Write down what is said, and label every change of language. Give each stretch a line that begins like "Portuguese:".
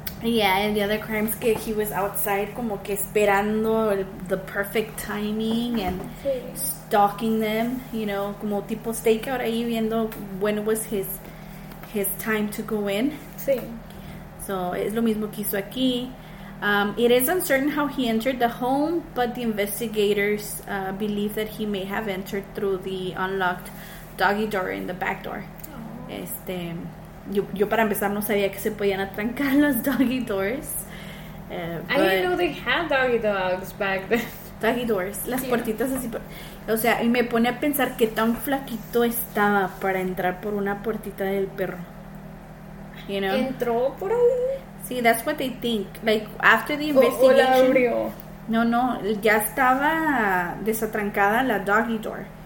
English: Yeah, in the other crimes, que he was outside
Spanish: como que esperando
English: the perfect timing and stalking them, you know,
Spanish: como tipo stakeout ahí viendo
English: when was his time to go in.
Spanish: Sí. So, es lo mismo que hizo aquí.
English: It is uncertain how he entered the home, but the investigators believe that he may have entered through the unlocked doggy door in the back door. Aww.
Spanish: Yo para empezar no sabía que se podían atrancar los doggy doors.
English: I didn't know they had doggy dogs back then.
Spanish: Doggy doors, las puertitas así. O sea, y me pone a pensar qué tan flaquito estaba para entrar por una puertita del perro.
English: You know?
Spanish: ¿Entró por ahí?
English: See, that's what they think. After the investigation...
Spanish: Hola, abrió. No, ya estaba desatrancada la doggy door.